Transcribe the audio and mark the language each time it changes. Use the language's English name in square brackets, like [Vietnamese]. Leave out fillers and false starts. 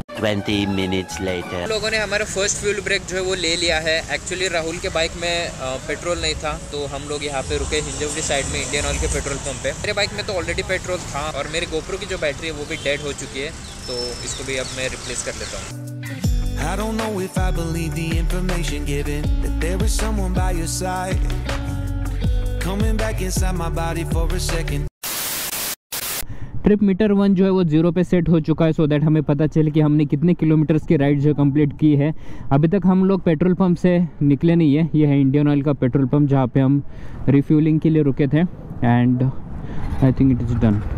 [English] 20 minutes later, [Hindi] लोगों ने हमारा फर्स्ट फ्यूल ब्रेक जो है वो ले लिया है। एक्चुअली राहुल के बाइक में पेट्रोल नहीं था, तो हम लोग यहाँ पे रुके हिंजवड़ी साइड में इंडियन ऑयल के पेट्रोल पंप पे। मेरे बाइक में तो ऑलरेडी पेट्रोल था और मेरे गोप्रो की जो बैटरी है वो भी डेड हो चुकी है, तो इसको भी अब मैं रिप्लेस कर लेता हूँ। [English] I don't know if I believe the information given that there was someone by your side. Coming back inside my body for a second. [Hindi] Trip meter 1 जो है वो 0 पे सेट हो चुका है, [English] so that [Hindi] हमें पता चले कि हमने कितने किलोमीटर्स की राइड जो है कम्प्लीट की है। अभी तक हम लोग पेट्रोल पंप से निकले नहीं है, ये है इंडियन ऑयल का पेट्रोल पंप जहाँ पे हम रिफ्यूलिंग के लिए रुके थे [English] And I think it is done.